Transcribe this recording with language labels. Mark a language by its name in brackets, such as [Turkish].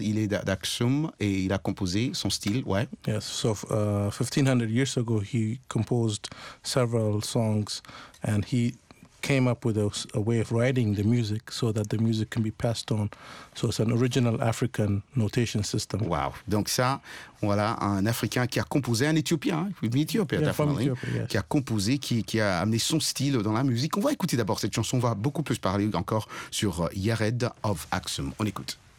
[French] Il est d'Aksum et il a composé son style. Ouais. [English] Yes. So 1500 years ago, he composed several songs, and he came up with a way of writing the music so that the music can be passed on. So it's an original African notation system. Wow. [French] Donc ça, voilà, un Africain qui a composé, un Éthiopien, hein, Éthiopien, [English] yeah, definitely, Ethiopia, yes. [French] Qui a composé, qui a amené son style dans la musique. On va écouter d'abord cette chanson. On va beaucoup plus parler encore sur Yared of Aksum. On écoute.